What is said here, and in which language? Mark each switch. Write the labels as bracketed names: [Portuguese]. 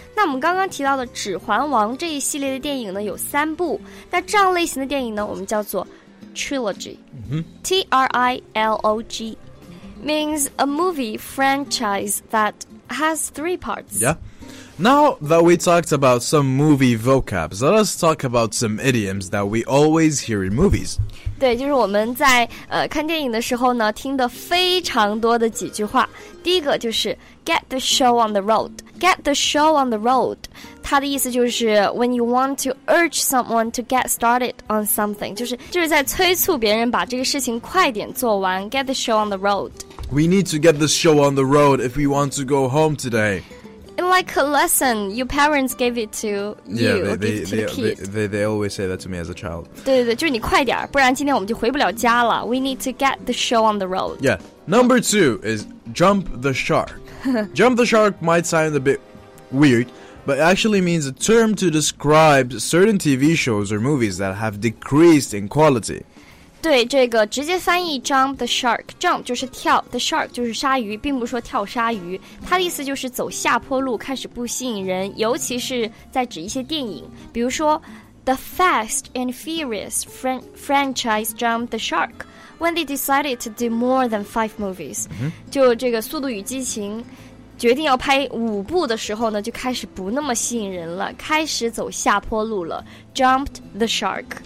[Chinese] 那我们刚刚提到的指环王这一系列的电影呢有三部，那这样类型的电影呢我们叫做 trilogy、 [English] T-R-I-L-O-G means a movie franchise that has three parts. Yeah. Now that we talked about some movie vocabs, let us talk about some idioms that we always hear in movies. [Chinese] 对，就是我们在看电影的时候呢，听的非常多的几句话。第一个就是 [English] get the show on the road, get the show on the road. [Chinese] 它的意思就是 [English] when you want to urge someone to get started on something, [Chinese] 就是在催促别人把这个事情快点做完。 [English] Get the show on the road. We need to get the show on the road if we want to go home today. Like a lesson your parents gave it to you. Yeah, they always say that to me as a child. [Chinese] 对对，就是你快点，不然今天我们就回不了家了。 [English] We need to get the show on the road. Yeah, number two is jump the shark. Jump the shark might sound a bit weird, but it actually means a term to describe certain TV shows or movies that have decreased in quality. [Chinese] 对这个直接翻译 [English] jump the shark, [Chinese] jump 就是跳 [English] the shark [Chinese] 就是鲨鱼，并不是说跳鲨鱼，它的意思就是走下坡路开始不吸引人，尤其是在指一些电影，比如说 [English] the Fast and Furious franchise jumped the shark when they decided to do more than 5 movies、 [Chinese] 就这个速度与激情决定要拍五部的时候呢，就开始不那么吸引人了，开始走下坡路了， [English] jumped the shark.